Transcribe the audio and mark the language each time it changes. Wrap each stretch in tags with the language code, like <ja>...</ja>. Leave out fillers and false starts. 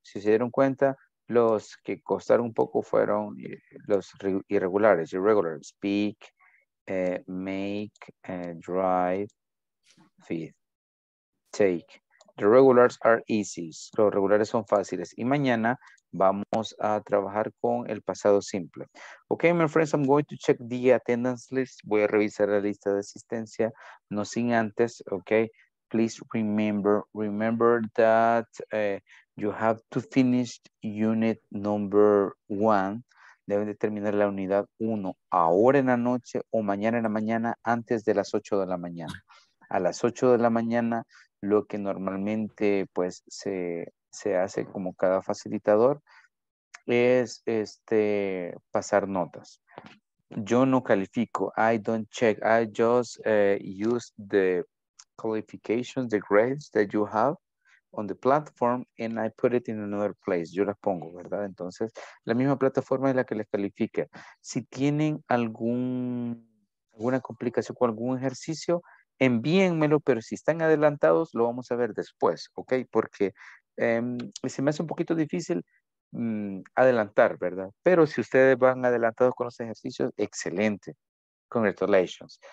<es>Si se dieron cuenta, los que costaron un poco fueron los irregulares, irregular.</es> <en>Speak, make, drive, feed. Take. The regulars are easy.</en> <es>Los regulares son fáciles. Y mañana vamos a trabajar con el pasado simple.</es> <en>Okay, my friends, I'm going to check the attendance list.</en> <es>Voy a revisar la lista de asistencia. No sin antes,</es> <en>okay? Please remember that you have to finish unit number one.</en> <es>Deben de terminar la unidad uno ahora en la noche o mañana en la mañana antes de las 8 de la mañana. A las 8 de la mañana... lo que normalmente pues se hace como cada facilitador es pasar notas. Yo no califico,</es> <en>I don't check, I just use the qualifications, the grades that you have on the platform and I put it in another place.</en> <es>Yo las pongo, ¿verdad? Entonces, la misma plataforma es la que les califica. Si tienen alguna complicación con algún ejercicio, envíenmelo, pero si están adelantados lo vamos a ver después, ok, porque se me hace un poquito difícil adelantar, ¿verdad? Pero si ustedes van adelantados con los ejercicios, excelente, Congratulations.</es>